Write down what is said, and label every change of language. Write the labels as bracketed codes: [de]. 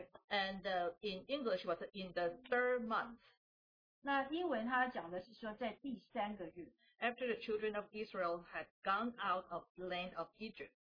[en] And in English, was in the third month. [zh] 那英文它讲的是说在第三个月。 [en] After the children of Israel had gone out of the land of Egypt.